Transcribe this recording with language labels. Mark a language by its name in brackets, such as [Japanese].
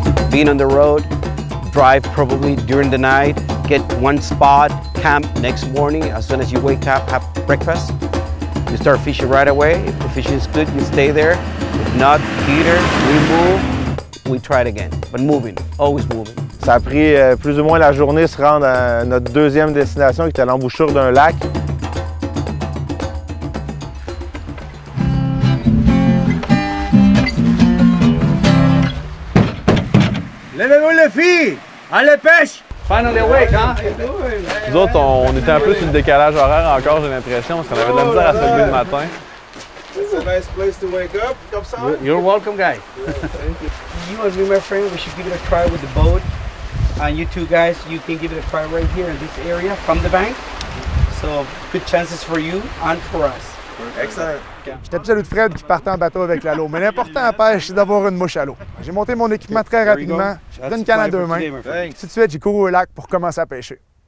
[English] being on the road, drive probably during the night, get one spot, camp next morning, as soon as you wake up, have breakfast. You start fishing right away. If the fishing is good, you stay there. If not, Peter, we move, we try it again. But moving, always moving. [French] Ça a pris plus ou moins la journée se rendre à notre deuxième destination qui était l'embouchure d'un lac. Levez-vous les filles! Allez pêche! [English] Finally awake, hein? [French] Nous autres, on était un peu sur le décalage horaire encore, j'ai l'impression, parce qu'on avait de la misère à se lever le matin. [English] It's a nice place to wake up, [French] comme ça. [English] You're welcome, guy. Thank you. You and me, my friend, we should give it a try with the boat. And you two guys, you can give it a try right here in this area, from the bank. So, good chances for you and for us. Excellent. [French] J'étais plus jaloux de Fred qui partait en bateau avec la l'eau. Mais l'important à pêche, c'est d'avoir une mouche à l'eau. J'ai monté mon équipement très rapidement. J'ai pris une canne à deux mains. Tout de suite, j'ai couru au lac pour commencer à pêcher.